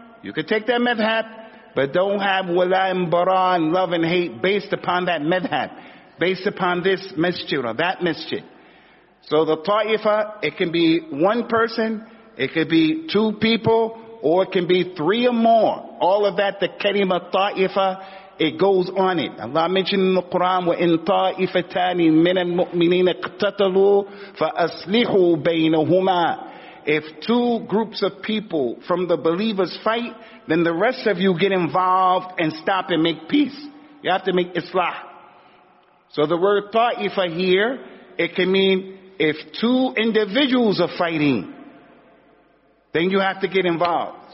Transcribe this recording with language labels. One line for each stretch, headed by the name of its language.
English: You could take that madhab, but don't have wala and bara and love and hate based upon that madhab, based upon this masjid or that masjid. So the ta'ifa, it can be one person, it could be two people, or it can be three or more. All of that, the kalima ta'ifa, it goes on it. Allah mentioned in the Quran,
Arabic: وَإِن طَائِفَتَانِ مِنَ الْمُؤْمِنِينَ اقْتَتَلُوا فَأَصْلِحُوا بَيْنَهُمَا.
English: If two groups of people from the believers fight, then the rest of you get involved and stop and make peace. You have to make islah. So the word ta'ifa here, it can mean if two individuals are fighting, then you have to get involved.